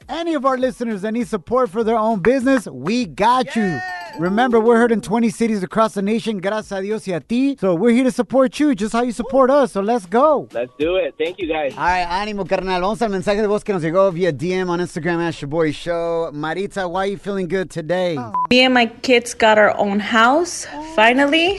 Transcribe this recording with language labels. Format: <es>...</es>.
<en>Any of our listeners that need support for their own business, we got you. Remember, we're heard in 20 cities across the nation.</en> <es>Gracias a Dios y a ti.</es> <en>So we're here to support you just how you support us. So let's go. Let's do it. Thank you, guys.</en> <es>All right, ánimo, carnal. Vamos al mensaje de voz que nos llegó via</es> <en>DM on Instagram at Shaboy Show. Maritza, why are you feeling good today? Oh. Me and my kids got our own house, finally.</en>